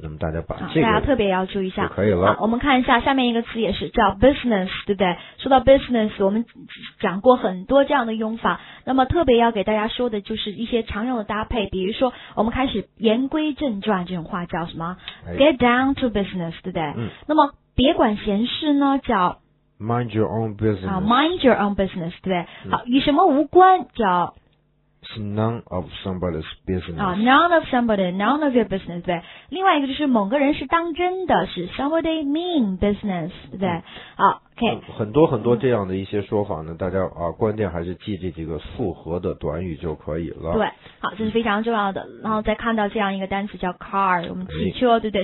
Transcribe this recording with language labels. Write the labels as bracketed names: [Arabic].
[Chinese] 那么大家把这个大家特别要注意一下可以了。我们看一下下面一个词也是叫 business， 对不对？说到 business， 我们讲过很多这样的用法，那么特别要给大家说的就是一些常用的搭配，比如说我们开始言归正传，这种话叫什么、哎、 [English] get down to business， [Chinese] 对不对、嗯、那么别管闲事呢叫 [English] mind your own business，好 mind your own business， [Chinese] 对不对、嗯、好，与什么无关叫 [English] it's none of somebody's business，好 none of somebody none of your business， 对。 [Chinese] 另外一个就是某个人是当真的，是 [English] somebody mean business， [Chinese] 对不对、嗯、好 OK、很多很多这样的一些说法呢，大家啊关键还是记这几个复合的短语就可以了。对，好，这是非常重要的。然后再看到这样一个单词叫 car， 我们汽车，对不对？